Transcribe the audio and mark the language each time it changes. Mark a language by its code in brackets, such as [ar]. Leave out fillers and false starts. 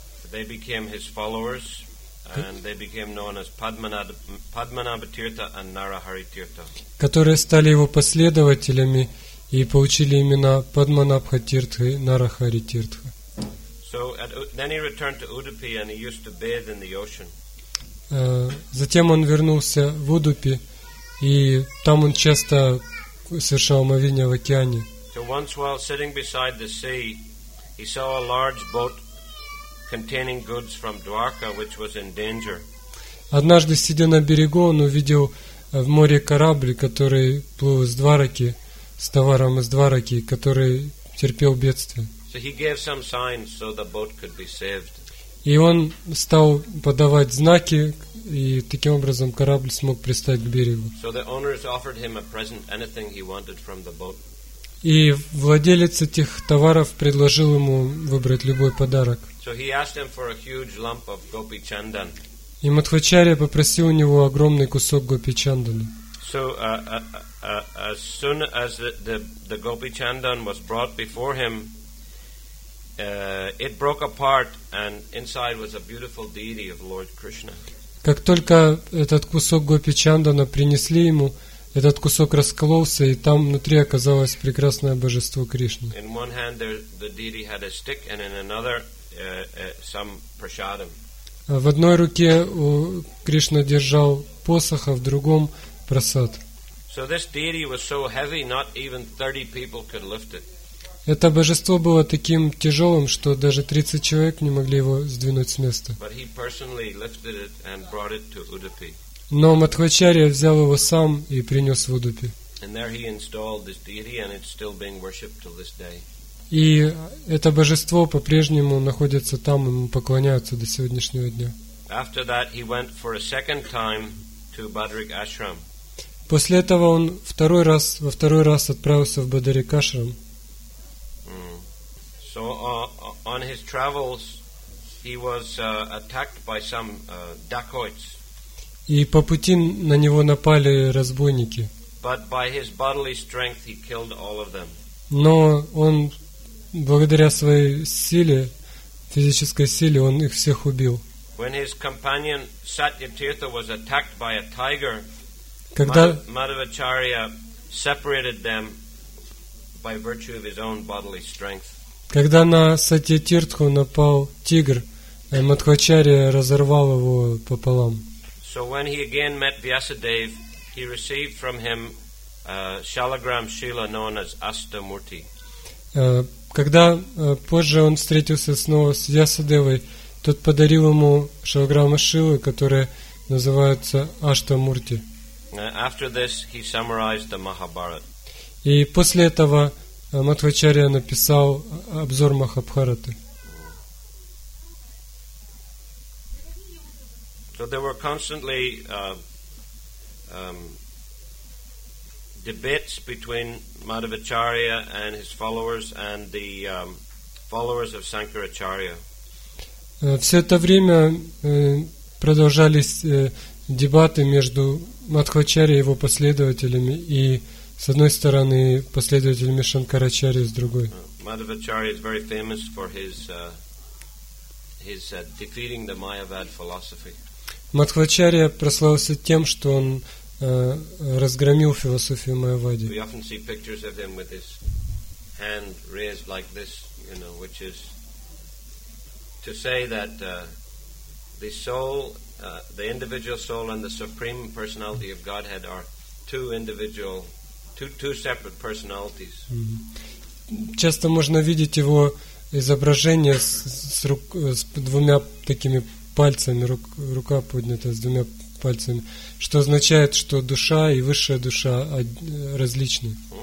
[en] And they became his followers, and they became known as Padmanabha Tirtha and Narahari Tirtha. [ru] Которые стали его последователями и получили имена Падманабха Тиртха и Нарахари Тиртха. [en] So then he returned to Udupi and he used to bathe in the ocean. [ru] Затем он вернулся в Удупи, и там он часто совершал омовение в океане. [en] So once while sitting beside the sea, he saw a large boat containing goods from Dwarka, which was in danger. [ru] Однажды, сидя на берегу, он увидел в море корабль, который плыл из Двараки, с товаром из Двараки, который терпел бедствие. [en] So he gave some signs so the boat could be saved. [ru] И он стал подавать знаки, и таким образом корабль смог пристать к берегу. [en] So the owners offered him a present, anything he wanted from the boat. [ru] И владелец этих товаров предложил ему выбрать любой подарок. [en] So he asked him for a huge lump of Gopi Chandan. [ru] И Мадхвачарья попросил у него огромный кусок Гопи Чандана. [en] So as soon as the Gopi Chandan was brought before him, it broke apart, and inside was a beautiful deity of Lord Krishna. [ru] Как только этот кусок Гопи Чандана принесли ему, этот кусок раскололся, и там внутри оказалось прекрасное божество Кришны. [en] In one hand the deity had a stick, and in another some prasadam. [ru] В одной руке у Кришна держал посох, а в другом прасад. [en] So this deity was so heavy, not even 30 people could lift it. [ru] Это божество было таким тяжелым, что даже 30 человек не могли его сдвинуть с места. [en] But he personally lifted it and brought it to Udupi. [ru] Но Мадхвачарья взял его сам и принес в Удупи. [en] And there he installed this deity, and it's still being worshipped till this day. [ru] И это божество по-прежнему находится там, ему поклоняются до сегодняшнего дня. [en] After that, he went for a second time to Badarik Ashram. [ru] После этого он во второй раз отправился в Бадарик Ашрам. [en] So on his travels, he was attacked by some dacoits. [ru] И по пути на него напали разбойники. [en] But by his bodily strength, he killed all of them. [ru] Но он благодаря своей силе, физической силе, он их всех убил. [en] When his companion Satyatirtha was attacked by a tiger, Madhavacharya separated them by virtue of his own bodily strength. [ru] Когда на Сатьятиртху напал тигр, Мадхвачарья разорвал его пополам. [en] So when he again met Vyasadeva, he received from him Shalagram Shila, known as Astamurti. [ru] Когда позже он встретился снова с Вьясадевой, тот подарил ему Шалаграма Шилы, которые называются Аштамурти. [en] After this, he summarized the Mahabharata. [ru] И после этого Мадхвачарья написал обзор Махабхараты. [en] So there were constantly debates between Madhvacharya and his followers and the followers of Shankaracharya. [ru] Все это время продолжались дебаты между Мадхвачарьей и его последователями и с одной стороны последователями Шанкарачарьи с другой. [en] Madhvacharya is very famous for his defeating the Mayavad philosophy. [ru] Мадхвачарья прославился тем, что он разгромил философию Майявады. [en] We often see pictures of him with his hand raised like this, you know, which is to say that the soul, the individual soul and the supreme personality of Godhead are two separate personalities. Mm-hmm. [ru] Часто можно видеть его изображение с двумя такими пальцами, рука поднята с двумя пальцами, что означает, что душа и высшая душа различны.